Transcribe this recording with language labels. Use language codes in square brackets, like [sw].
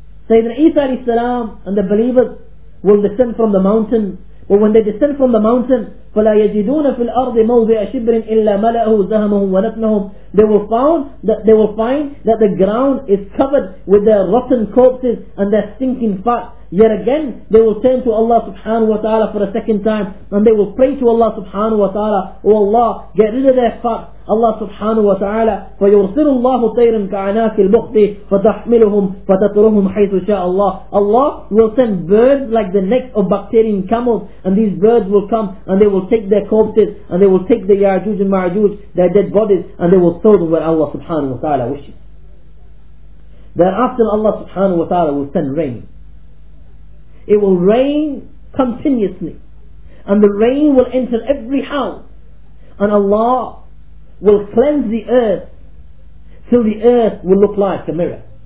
[en] Sayyidina Isa alayhi salam and the believers will descend from the mountain, but when they descend from the mountain, [ar] فَلَا يَجِدُونَ فِي الْأَرْضِ مَوْضِعَ شِبْرٍ إِلَّا مَلَأَهُ زَهَمَهُمْ وَنَفْنَهُمْ. [en] They will find that the ground is covered with their rotten corpses and their stinking fat. Yet again, they will turn to Allah subhanahu wa ta'ala for a second time, and they will pray to Allah subhanahu wa ta'ala, O Allah, get rid of their fat. Allah subhanahu wa ta'ala, [ar] فَيُرْسِلُ اللَّهُ طَيْرٍ كَعَنَاكِ الْبُخْطِ فَتَحْمِلُهُمْ فَتَطْرُهُمْ حَيْثُ شَاءَ اللَّهُ. [en] Allah will send birds like the neck of bacterium camels, and these birds will come and they will take their corpses, and they will take the Ya'juj and Ma'juj, their dead bodies, and they will throw them where Allah subhanahu wa ta'ala wishes. Thereafter Allah subhanahu wa ta'ala will send rain. It will rain continuously, and the rain will enter every house, and Allah will cleanse the earth till the earth will look like a mirror.